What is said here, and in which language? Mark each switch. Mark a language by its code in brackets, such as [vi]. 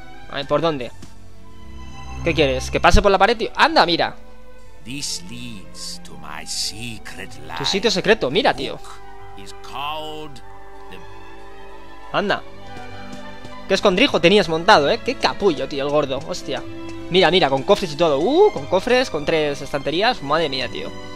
[es] A ver, ¿por dónde? ¿Qué quieres? ¿Que pase por la pared, tío? ¡Anda, mira! [en] This leads to my secret life. [es] Tu sitio secreto, mira, tío. [en] The... [es] ¡Anda! ¿Qué escondrijo tenías montado, eh? ¡Qué capullo, tío, el gordo! ¡Hostia! Mira, mira, con cofres y todo. Con cofres, con tres estanterías. ¡Madre mía, tío!